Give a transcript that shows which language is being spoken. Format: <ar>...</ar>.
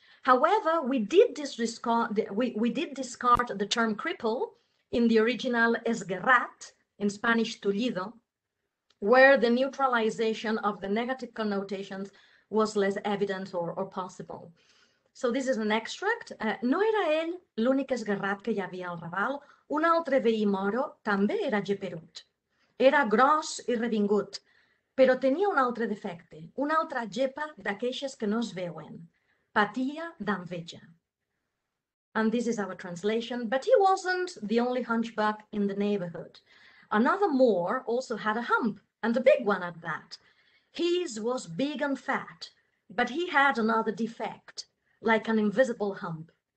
<en>However, we did discard the term cripple in the original esguerrat, in Spanish tullido, where the neutralization of the negative connotations was less evident or possible. So this is an extract.</en> <ca>No era ell l'únic esguerrat que hi havia al Raval. Un altre veí moro també era geperut. Era gros i revingut, però tenia un altre defecte, una altra gepa d'aquelles que no es veuen. Patia d'enveja.</ca> <en>And this is our translation. But he wasn't the only hunchback in the neighborhood. Another Moor also had a hump, and a big one at that. His was big and fat, but he had another defect, like an invisible hump.</en>